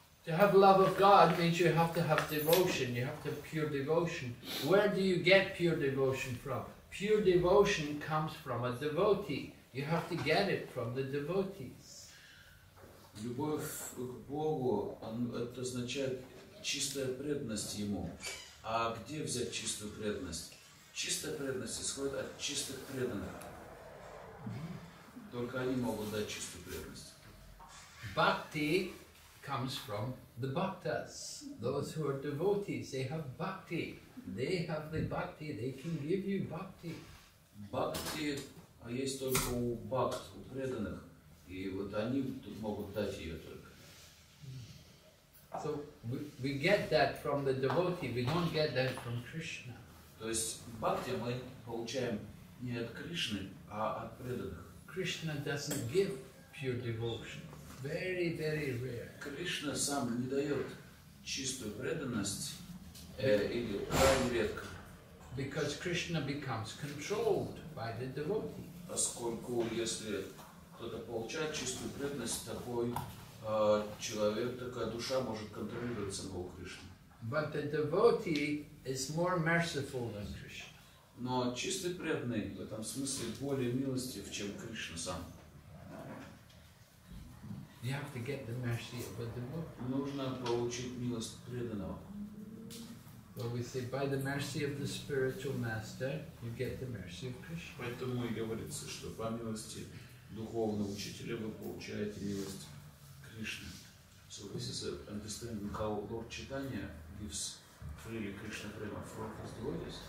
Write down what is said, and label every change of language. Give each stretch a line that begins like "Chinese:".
English: To have love of God means you have to have devotion, you have to have pure devotion. Where do you get pure devotion from? Pure devotion comes from a devotee. You have to get it from the devotees.
Russian: Любовь к Богу, это означает чистая преданность Ему. А где взять чистую преданность? Чистая преданность исходит от чистых преданных. Только они могут дать чистую преданность.
English: Bhakti comes from the bhaktas. Those who are devotees, they have bhakti. They have the bhakti, they can give you bhakti.
Russian: Bhakti есть только у бхакт, у преданных. И вот они тут могут дать ее только.
English: So we get that from the devotee, we don't get that from Krishna.
Russian: То есть бхакти мы получаем не от Кришны, а от преданных.
English: Krishna doesn't give pure devotion. Very, very rare.
Russian: Кришна сам не дает чистую преданность или крайне редко.
English: Because Krishna becomes controlled by the devotee.
Russian: Поскольку если кто-то получает чистую преданность, такой человек, такая душа может контролировать самого Кришну.
English: But the devotee is more merciful than Krishna.
Russian: Но чистый преданный в этом смысле более милостив, чем Кришна сам.
English: You have to get the mercy of a devotee.
Russian: Нужно получить милость преданного.
English: Well, we say by the mercy of the spiritual master, you get the mercy of Krishna.
Russian: Поэтому и говорится, что по милости духовного учителя вы получаете милость.
English: So this is an understanding how Lord Chaitanya gives freely Krishna prema from his devotees,